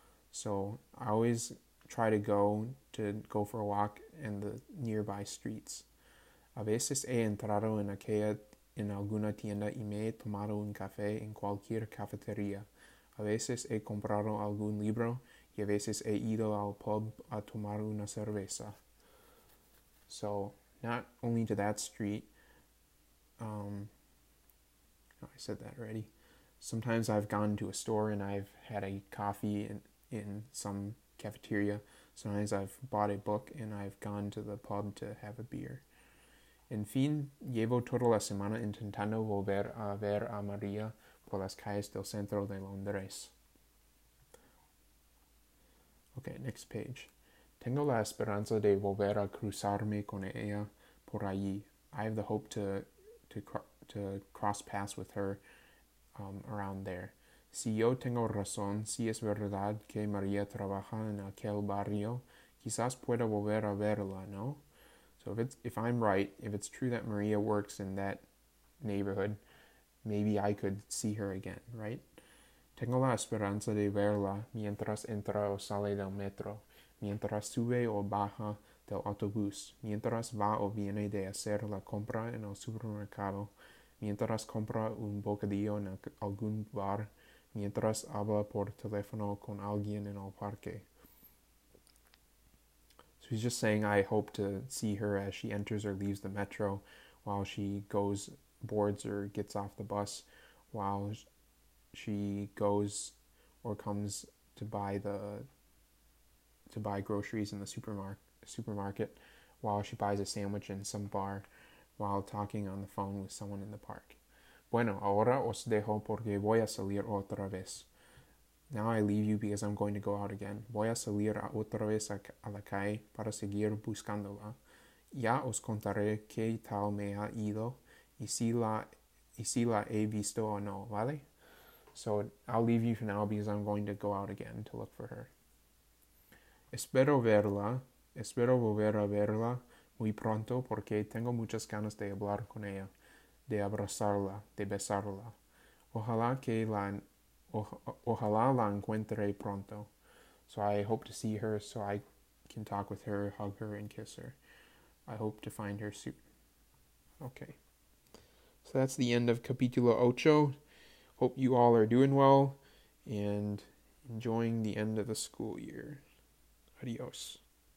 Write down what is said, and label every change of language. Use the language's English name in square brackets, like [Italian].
[English] So I always try to go for a walk in the nearby streets. [Spanish] A veces he entrado en alguna tienda y me he tomado un café en cualquier cafetería. A veces he comprado algún libro y a veces he ido al pub a tomar una cerveza. [English] So, not only to that street, oh, I said that already. Sometimes I've gone to a store and I've had a coffee in some cafeteria. Sometimes I've bought a book and I've gone to the pub to have a beer. [Spanish] En fin, llevo toda la semana intentando volver a ver a María por las calles del centro de Londres. [English] Okay, next page. [Spanish] Tengo la esperanza de volver a cruzarme con ella por allí. [English] I have the hope to cross paths with her around there. [Spanish] Si yo tengo razón, si es verdad que María trabaja en aquel barrio, quizás pueda volver a verla, ¿no? [English] So if I'm right, if it's true that Maria works in that neighborhood, maybe I could see her again, right? [Spanish] Tengo la esperanza de verla mientras entra o sale del metro, mientras sube o baja del autobús, mientras va o viene de hacer la compra en el supermercado, mientras compra un bocadillo en algún bar, mientras habla por teléfono con alguien en el parque. [English] She's just saying, I hope to see her as she enters or leaves the metro, while she goes, boards, or gets off the bus, while she goes or comes to buy groceries in the supermarket, while she buys a sandwich in some bar, while talking on the phone with someone in the park. [Spanish] Bueno, ahora os dejo porque voy a salir otra vez. [English] Now I leave you because I'm going to go out again. [Spanish] Voy a salir otra vez a la calle para seguir buscándola. Ya os contaré qué tal me ha ido y si la he visto o no, ¿vale? [English] So I'll leave you for now because I'm going to go out again to look for her. [Spanish] Espero volver a verla muy pronto porque tengo muchas ganas de hablar con ella, de abrazarla, de besarla. Ojalá la encuentre pronto. [English] So I hope to see her so I can talk with her, hug her, and kiss her. I hope to find her soon. Okay. So that's the end of Capítulo Ocho. Hope you all are doing well and enjoying the end of the school year. Adios.